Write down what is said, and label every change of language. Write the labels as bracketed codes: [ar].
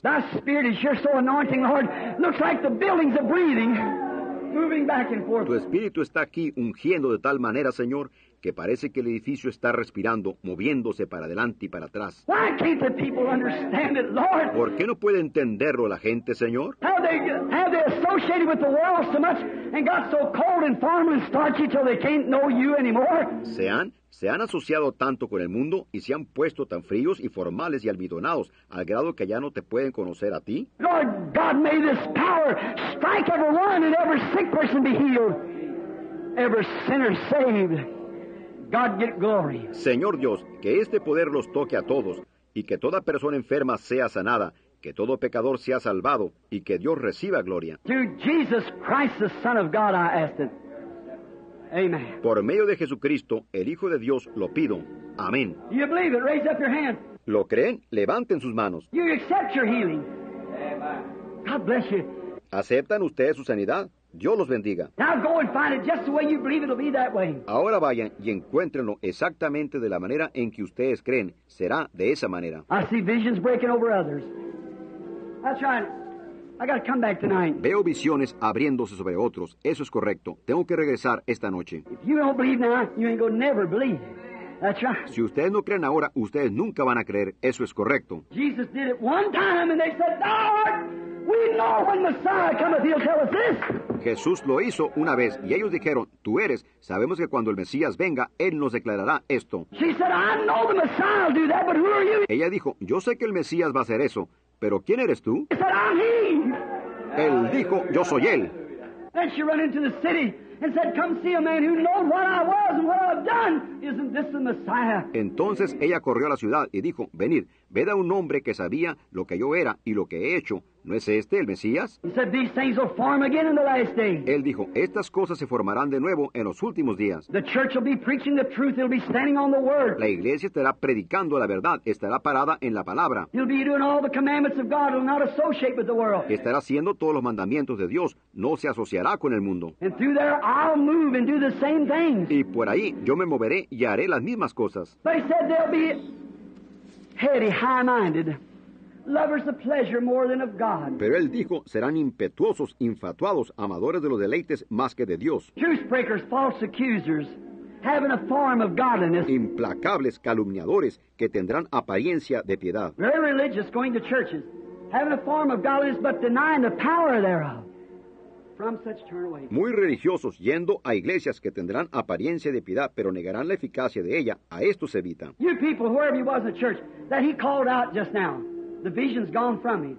[en] Thy spirit is sure so anointing, Lord. Looks like the buildings are breathing, moving back and forth. [es] Tu espíritu está aquí ungiendo de tal manera, Señor, que parece que el edificio está respirando, moviéndose para adelante y para atrás. [en] Why can't the people understand it, Lord? [es] ¿Por qué no puede entenderlo la gente, Señor? [en] How they associated with the world so much and got so cold and formless, starchy till they can't know you anymore? [es] Se han asociado tanto con el mundo y se han puesto tan fríos y formales y almidonados al grado que ya no te pueden conocer a ti. [en] Lord God, may this power strike everyone and every sick person be healed, every sinner saved. God get glory. [es] Señor Dios, que este poder los toque a todos, y que toda persona enferma sea sanada, que todo pecador sea salvado, y que Dios reciba gloria. [en] Through Jesus Christ, the Son of God, I ask it. Amen. [es] Por medio de Jesucristo, el Hijo de Dios, lo pido. Amén. [en] You believe it? Raise up your hand. [es] ¿Lo creen? Levanten sus manos. [en] You accept your healing. God bless you. [es] ¿Aceptan ustedes su sanidad? Dios los bendiga. [en] Now go and find it just the way you believe it'll be that way. [es] Ahora vayan y encuéntrenlo exactamente de la manera en que ustedes creen. Será de esa manera. [en] I see visions breaking over others. That's right. I gotta come back tonight. [es] Veo visiones abriéndose sobre otros. Eso es correcto. Tengo que regresar esta noche. [en] If you don't believe now, you ain't gonna never believe. That's right. [es] Si ustedes no creen ahora, ustedes nunca van a creer. Eso es correcto. [en] Jesus did it one time and they said, Lord, we know when Messiah cometh, he'll tell us this. [es] Jesús lo hizo una vez y ellos dijeron, tú eres, sabemos que cuando el Mesías venga, él nos declarará esto. [en] She said, I know the Messiah will do that, but who are you? [es] Ella dijo, yo sé que el Mesías va a hacer eso. ¿Pero quién eres tú? [en] He said, I'm he. [es] Él dijo, yo soy él. [en] Then she ran into the city and said, come see a man who knows what I was and what I've done. Isn't this the Messiah? [es] Entonces ella corrió a la ciudad y dijo, venid, ved a un hombre que sabía lo que yo era y lo que he hecho. ¿No es este el Mesías? [en] He said, these things will form again in the last day. [es] Él dijo, estas cosas se formarán de nuevo en los últimos días. [en] The church will be preaching the truth. It'll be standing on the word. [es] La iglesia estará predicando la verdad. Estará parada en la palabra. [en] He'll be doing all the commandments of God. He'll not associate with the world. [es] Estará haciendo todos los mandamientos de Dios. No se asociará con el mundo. [en] And through there, I'll move and do the same things. [es] Y por ahí, yo me moveré y haré las mismas cosas. [en] But he said, they'll be heady, high-minded. Lovers of pleasure more than of God. [es] Pero él dijo, serán impetuosos, infatuados, amadores de los deleites más que de Dios. [en] Truth breakers, false accusers, having a form of godliness. [es] Implacables, calumniadores, que tendrán apariencia de piedad. [en] Very religious, going to churches, having a form of godliness, but denying the power thereof. From such turn away. [es] Muy religiosos, yendo a iglesias que tendrán apariencia de piedad, pero negarán la eficacia de ella. A esto se evita. [en] You people, wherever you was in the church, that he called out just now. The vision's gone from me.